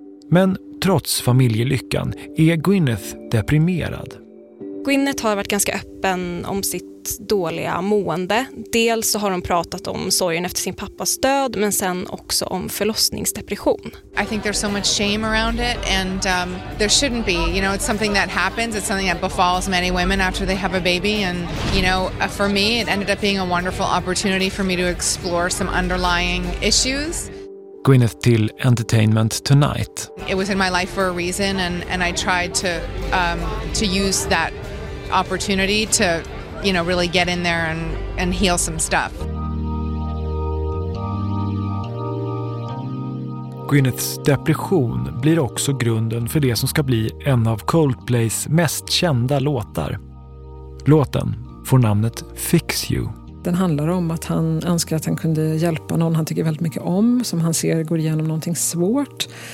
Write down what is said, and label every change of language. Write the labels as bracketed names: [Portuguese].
[Swedish] Men trots familjelyckan är Gwyneth deprimerad. Gwyneth har varit ganska öppen om sitt dåliga mående. Dels så har hon pratat om sorgen efter sin pappas död, men sen också om förlossningsdepression. [English] I think there's so much shame around it and there shouldn't be. You know, it's something that happens. It's something that befalls many women after they have a baby and you know, for me it ended up being a wonderful opportunity for me to explore some underlying issues. [Swedish] Gwyneth till Entertainment Tonight. [English] It was in my life for a reason and I tried to use that opportunity to you know really get in there and heal some stuff. [Swedish] Gwyneths depression blir också grunden för det som ska bli en av Coldplays mest kända låtar. Låten får namnet Fix You. Den handlar om att han önskar att han kunde hjälpa någon han tycker väldigt mycket om som han ser går igenom någonting svårt.